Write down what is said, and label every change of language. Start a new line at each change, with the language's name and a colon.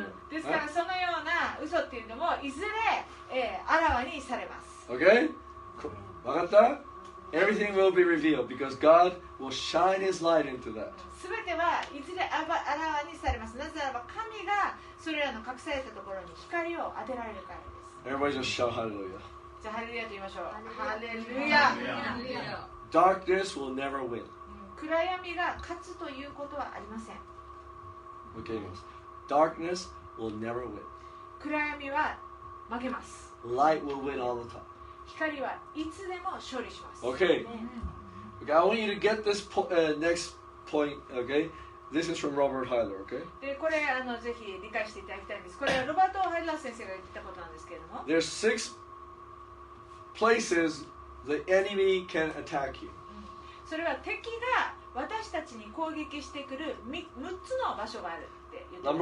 Japanese: ですからそのような嘘っていうのもいずれ、あらわにされます。 Okay? わかった?
English: Everything will be revealed because God will shine His light into that.
Japanese: すべてはいずれあらわにされます。なぜならば神がそれらの隠されたところに光を当てられるからです。
English: Everybody just shout hallelujah.
Japanese: じゃあハレルヤと言いましょう。ハレルヤ。
English: Darkness will never win.
Japanese: 暗闇が勝つということはありません。
English: Okay, yes. Darkness will never win.
Japanese: 暗闇は負けます。
English: Light will win all the time.
Japanese: 光はいつでも勝利します。
English: Okay. Okay, I want you to get this next point, okay? This is from Robert Heiler, okay?
Japanese: で、これぜひ理解していただきたいんです。これはロバート・ハイラー先生が言ったことなんですけれども。
English: There's six places the enemy can attack you.
Japanese: それは敵が私たちに攻撃してくる6つの場所があるって言ってますね。